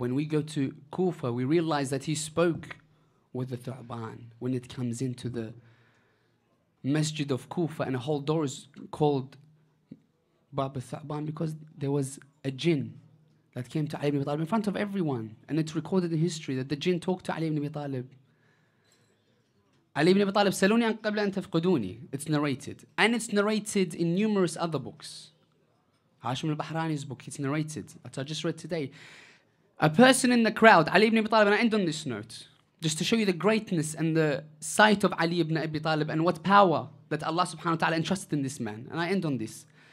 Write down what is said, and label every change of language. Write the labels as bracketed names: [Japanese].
[English] When we go to Kufa, we realize that he spoke with the Thu'ban when it comes into the Masjid of Kufa, and a whole door is called Bab al-Thu'ban because there was a jinn that came to Ali ibn Talib in front of everyone. And it's recorded in history that the jinn talked to Ali ibn Talib. [Arabic] Ali ibn Talib, سَلُونِي أَنْ قَبْلَ أَنْ تَفْقُدُونِي. [English] It's narrated. And it's narrated in numerous other books. Hashim al-Bahrani's book, it's narrated. That I just read today. A person in the crowd, Ali ibn Talib, and I end on this note, just to show you the greatness and the sight of Ali ibn Abi Talib and what power that Allah subhanahu wa ta'ala entrusted in this man. And I end on this.